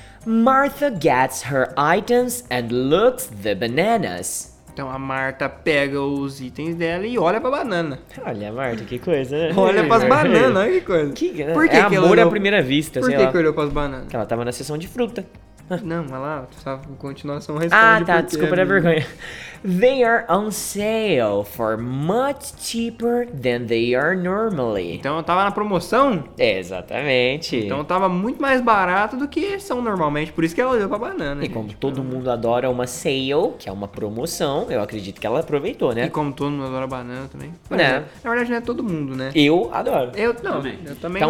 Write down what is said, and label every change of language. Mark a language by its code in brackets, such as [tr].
[en] Martha gets her items and looks the bananas. [pt] Então a Martha pega os itens dela e olha pra banana. Olha, Martha, que coisa, né? Olha pras bananas, olha que coisa. Por que é amor à primeira vista, por sei que lá. Por que olhou pras bananas? Porque ela tava na sessão de fruta. Não, mas lá, precisava continuação responde. Ah, tá, desculpa da vergonha. [en] They are on sale for much cheaper than they are normally. [pt] Então eu tava na promoção? Exatamente. Então eu tava muito mais barato do que são normalmente, por isso que ela olhou pra banana. E gente, como todo mundo adora uma sale, que é uma promoção, eu acredito que ela aproveitou, né? E como todo mundo adora banana também. Né? Na verdade não é todo mundo, né? Eu adoro. Eu não, também. Eu também então,